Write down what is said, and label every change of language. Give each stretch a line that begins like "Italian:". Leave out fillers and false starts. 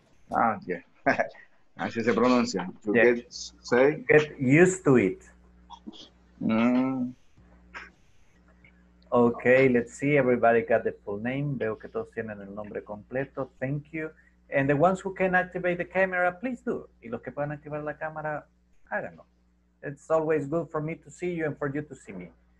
English: Ah, yeah.
Spanish: Así se pronuncia.
English: You get used to it. Okay, let's see. Everybody got the full name.
Spanish: Veo que todos tienen el nombre completo.
English: Thank you. And the ones who can activate the camera, please do.
Spanish: Y los que puedan activar la cámara, háganlo.
English: It's always good for me to see you and for you to see me.